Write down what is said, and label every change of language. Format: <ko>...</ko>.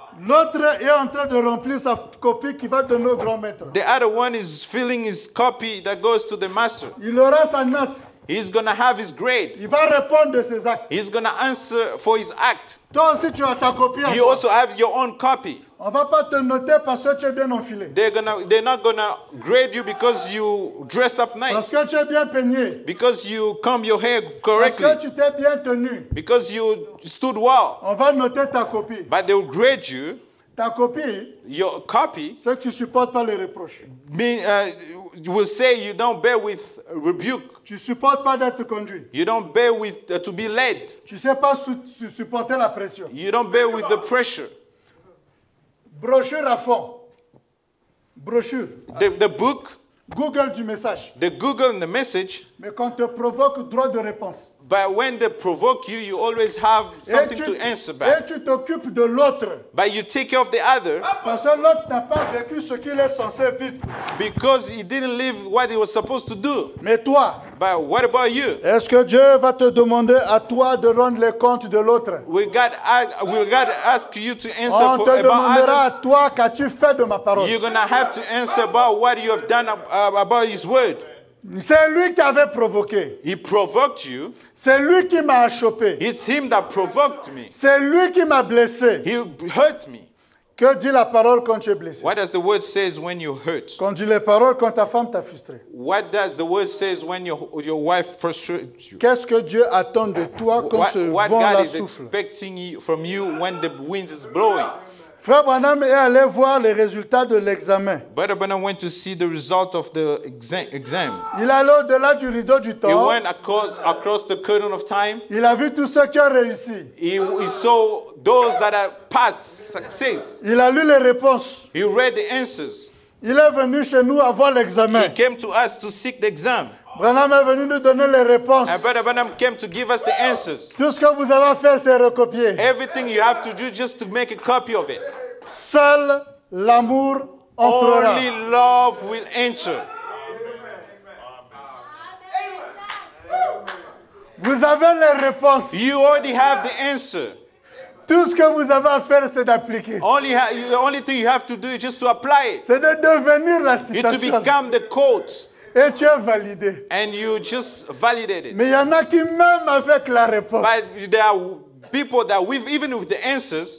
<fr>L'autre est en train de remplir sa copie qui va donner au grand maître.</fr> <en>The other one is filling his copy that goes to the master.</en> <fr>Il aura sa note.</fr> <en>He's going to have his grade.</en> <fr>Il va répondre de ses actes.</fr> <en>He's going to answer for his act.</en> <fr>Toi aussi tu as ta copie.</fr> <en>You also have your own copy.</en> <fr>On va pas te noter parce que tu es bien enfilé.</fr> <en>They're not going to grade you because you dress up nice.</en> <fr>Parce que tu es bien peigné.</fr> <en>Because you comb your hair correctly.</en> <fr>Parce que tu t'es bien tenu.</fr> <en>Because you stood well.</en> <fr>On va noter ta copie.</fr> <en>But they will grade you.</en> <fr>Ta copie.</fr> <en>Your copy.</en> <fr>C'est que tu supportes pas les reproches.</fr> <en>You will say you don't bear with rebuke.</en> <fr>Tu supportes pas d'être conduit.</fr> <en>You don't bear with to be led.</en> <fr>Tu sais pas supporter la pression.</fr> <en>You don't bear with the pressure.</en> <fr>Brochure à fond. Brochure.</fr> <en>The book.</en> <fr>Google du message.</fr> <en>The Google and the message.</en> <fr>Mais quand te provoque, droit de réponse.</fr> <en>But when they provoke you, you always have something to answer back.</en> <fr>Et tu t'occupes de l'autre.</fr> <en>But you take care of the other.</en> <fr>Parce que l'autre n'a pas vécu ce qu'il est censé vivre.</fr> <en>Because he didn't live what he was supposed to do.</en> <fr>Mais toi.</fr> <en>But what about you?</en> <fr>Est-ce que Dieu va te demander à toi de rendre les comptes de l'autre?</fr> <en>Will God ask you to answer for others?</en> <fr>On te demandera à toi qu'as-tu fait de ma parole?</fr> <en>You're gonna have to answer about what you have done about His word.</en> <fr>C'est lui qui avait provoqué.</fr> <en>He provoked you.</en> <fr>C'est lui qui m'a achoppé.</fr> <en>It's him that provoked me.</en> <fr>C'est lui qui m'a blessé.</fr> <en>He hurt me.</en> <fr>Que dit la parole quand tu es blessé?</fr> <en>What does the word says when you hurt?</en> <fr>Quand dit les paroles quand ta femme t'a frustré?</fr> <en>What does the word says when your wife frustrates you?</en> <fr>Qu'est-ce que Dieu attend de toi quand ce vent la souffle?</fr> <en>What God is expecting from you when the wind is blowing?</en> <fr>Frère Branham est allé voir les résultats de l'examen.</fr> <en>Brother Branham went to see the result of the exam.</en> <fr>Il est allé au-delà du rideau du temps.</fr> <en>He went across the curtain of time.</en> <fr>Il a vu tous ceux qui ont réussi.</fr> <en>He saw those that have passed success.</en> <fr>Il a lu les réponses.</fr> <en>He read the answers.</en> <fr>Il est venu chez nous avoir l'examen.</fr> <en>He came to us to seek the exam.</en> <fr>Branham est venu nous donner les réponses.</fr> <en>And Brother Branham came to give us the answers.</en> <fr>Tout ce que vous avez à faire, c'est recopier.</fr> <en>Everything you have to do just to make a copy of it.</en> <fr>Seul l'amour entrera.</fr> <en>Only love will enter. Amen.</en> <fr>Vous avez les réponses.</fr> <en>You already have the answer.</en> <fr>Tout ce que vous avez à faire, c'est d'appliquer.</fr> <en>The only thing you have to do is just to apply it.</en> <fr>C'est de devenir la citation.</fr> <en>It to become the quote.</en> <fr>Et tu as validé.</fr> <en>And you just validated it.</en> <fr>Mais il y en a qui même avec la réponse.</fr> <en>But there are people that with even with the answers.</en>